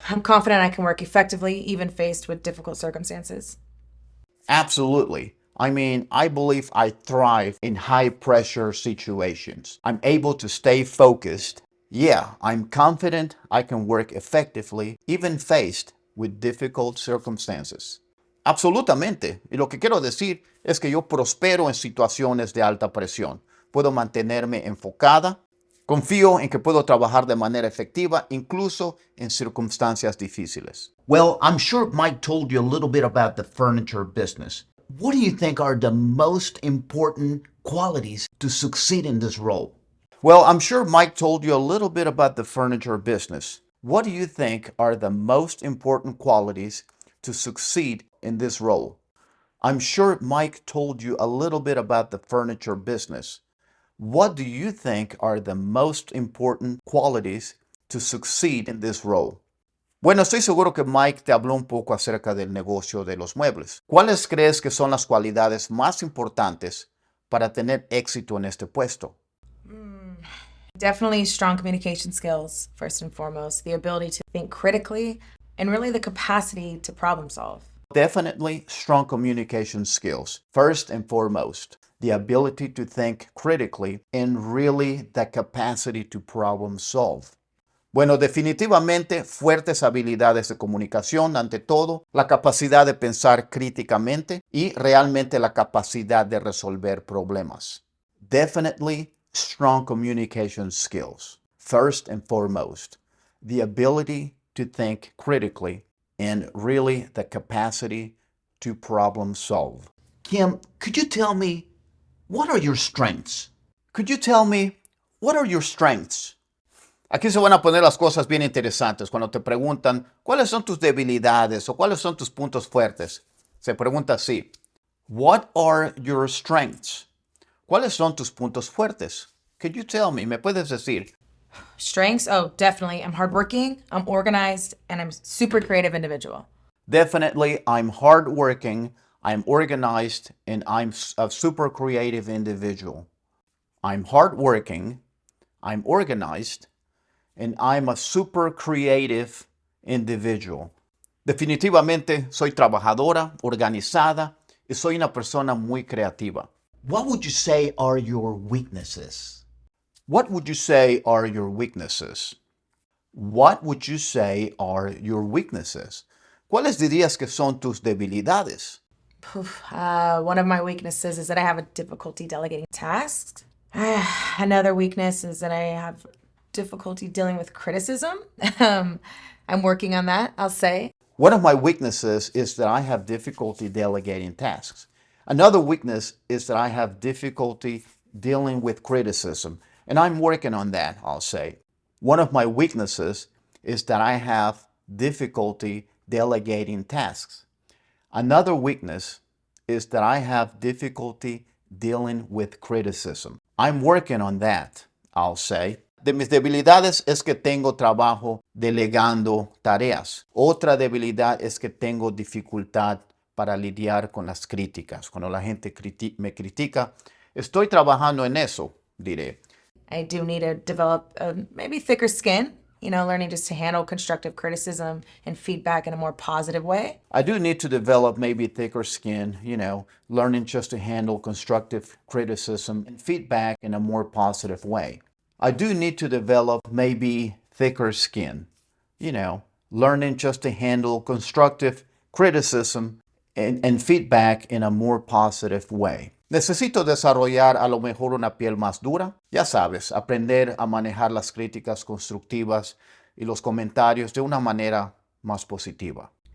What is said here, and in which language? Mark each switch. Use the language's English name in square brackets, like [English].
[English] I'm confident I can work effectively, even faced with difficult circumstances. Absolutely. I mean, I believe I thrive in high-pressure situations. I'm able to stay focused. Yeah, I'm confident I can work effectively, even faced with difficult circumstances. [Spanish] Absolutamente. Y lo que quiero decir es que yo prospero en situaciones de alta presión. Puedo mantenerme enfocada. Confío en que puedo trabajar de manera efectiva, incluso en circunstancias difíciles. [English] Well, I'm sure Mike told you a little bit about the furniture business. What do you think are the most important qualities to succeed in this role? Well, I'm sure Mike told you a little bit about the furniture business. What do you think are the most important qualities to succeed in this role? I'm sure Mike told you a little bit about the furniture business. What do you think are the most important qualities to succeed in this role? [Spanish] Bueno, estoy seguro que Mike te habló un poco acerca del negocio de los muebles. ¿Cuáles crees que son las cualidades más importantes para tener éxito en este puesto? [English] Definitely strong communication skills, first and foremost. The ability to think critically and really the capacity to problem solve. Definitely strong communication skills, first and foremost. The ability to think critically and really the capacity to problem solve. [Spanish] Bueno, definitivamente fuertes habilidades de comunicación, ante todo, la capacidad de pensar críticamente y realmente la capacidad de resolver problemas. [English] Definitely strong communication skills, first and foremost, the ability to think critically and really the capacity to problem solve. Kim, could you tell me what are your strengths? Could you tell me what are your strengths? [Spanish] Aquí se van a poner las cosas bien interesantes cuando te preguntan cuáles son tus debilidades o cuáles son tus puntos fuertes. Se pregunta así, [English] what are your strengths? [Spanish] ¿Cuáles son tus puntos fuertes? [English] Could you tell me? [Spanish] ¿Me puedes decir? [English] Strengths? Oh, definitely. I'm hardworking, I'm organized, and I'm a super creative individual. Definitely, I'm hardworking, I'm organized, and I'm a super creative individual. I'm hardworking, I'm organized, and I'm a super creative individual. [Spanish] Definitivamente, soy trabajadora, organizada, y soy una persona muy creativa. [English] What would you say are your weaknesses? What would you say are your weaknesses? What would you say are your weaknesses? [Spanish] ¿Cuáles dirías que son tus debilidades? [English] One of my weaknesses is that I have a difficulty delegating tasks. Another weakness is that I have difficulty dealing with criticism. I'm working on that, I'll say. One of my weaknesses is that I have difficulty delegating tasks. Another weakness is that I have difficulty dealing with criticism, and I'm working on that, I'll say. One of my weaknesses is that I have difficulty delegating tasks. Another weakness is that I have difficulty dealing with criticism. I'm working on that, I'll say. [Spanish] De mis debilidades es que tengo trabajo delegando tareas. Otra debilidad es que tengo dificultad para lidiar con las críticas. Cuando la gente me critica, estoy trabajando en eso, diré. [English] I do need to develop maybe thicker skin, you know, learning just to handle constructive criticism and feedback in a more positive way. I do need to develop maybe thicker skin, you know, learning just to handle constructive criticism and feedback in a more positive way. I do need to develop maybe thicker skin, you know, learning just to handle constructive criticism and feedback in a more positive way. [Spanish] Necesito desarrollar a lo mejor una piel más dura. Ya sabes, aprender a manejar las críticas constructivas y los comentarios de una manera más positiva.